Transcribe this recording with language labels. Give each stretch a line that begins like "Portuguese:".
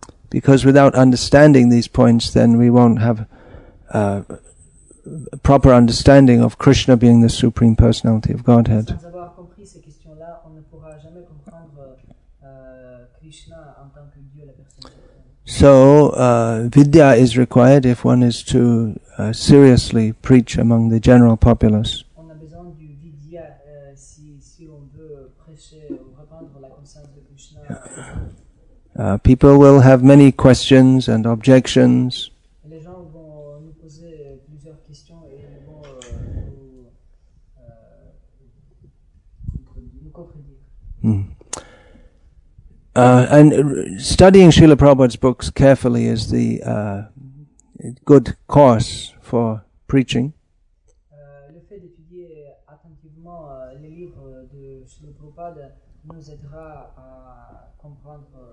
English: Because without understanding these points, then we won't have a proper understanding of Krishna being the Supreme Personality of Godhead.
French: Sans avoir compris ces questions-là, on ne pourra jamais comprendre Krishna en tant que Dieu, la personne.
English: So, vidya is required if one is to seriously preach among the general populace.
French: On a besoin du vidya si on veut prêcher ou répandre la conscience de Krishna.
English: People will have many questions and objections.
French: Les gens vont nous poser plusieurs questions et ils vont nous contredire.
English: And studying Srila Prabhupada's books carefully is the good course for preaching.
French: Le fait d'étudier attentivement les livres de Srila Prabhupada nous aidera à comprendre